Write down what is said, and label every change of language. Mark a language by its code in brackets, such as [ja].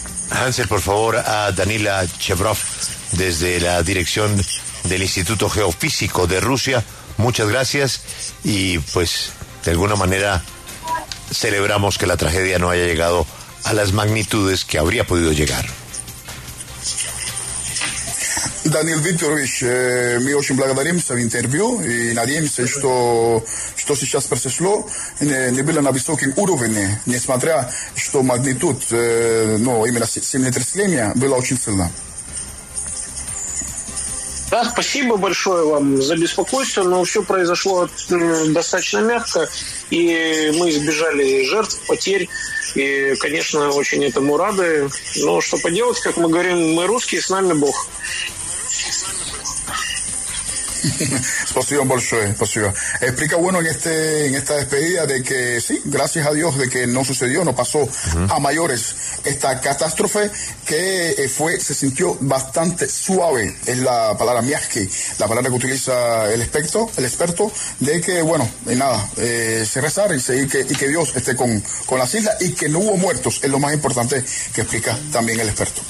[es] Hansel, por favor, a Danila Chevrov desde la dirección del Instituto Geofísico de Rusia. Muchas gracias y, pues, de alguna manera celebramos que la tragedia no haya llegado a las magnitudes que habría podido llegar. [ru] Daniil Viktorovich, мы очень благодарим за интервью и надеемся, что сейчас произошло, не было на высоком уровне, несмотря что магнитуд, именно землетрясение было очень сильно. Да, спасибо большое вам за беспокойство, но все произошло достаточно мягко, и мы избежали жертв, потерь, и, конечно, очень этому рады. Но что поделать, как мы говорим, мы русские, с нами Бог. Спасибо большое, спасибо. [es] Explica bueno en esta despedida de que sí, gracias a Dios de que no sucedió, no pasó a mayores esta catástrofe que se sintió bastante suave, es la palabra miaski, la palabra que utiliza el experto, de que bueno, y nada, se rezar y seguir que Dios esté con las islas y que no hubo muertos, es lo más importante que explica también el experto.